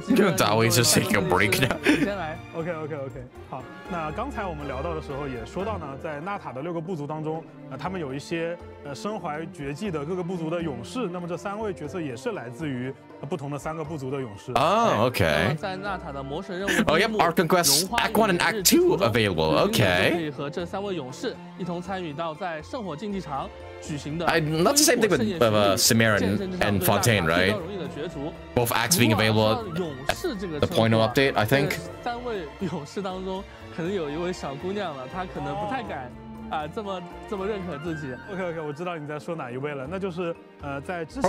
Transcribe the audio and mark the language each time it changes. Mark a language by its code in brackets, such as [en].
[en] 继续。Dawe is just taking a break now. [zh] 先来。 [en] OK. [zh] 好，那刚才我们聊到的时候也说到呢，在纳塔的六个部族当中，他们有一些身怀绝技的各个部族的勇士。那么这三位角色也是来自于不同的三个部族的勇士。 [en] OK. [zh] 在纳塔的魔神任务中。 [en] Oh, yep. Archon Quest Act One and Act Two available. OK. [zh] 可以和这三位勇士一同参与到在圣火竞技场。 [en] Not the same thing with Cimmerian and Fontaine, right? Both acts being available at the 5.0 update, I think. [zh] 三位勇士当中，可能有一位小姑娘了，她可能不太敢啊，这么认可自己。 OK， 我知道你在说哪一位了，那就是在之前。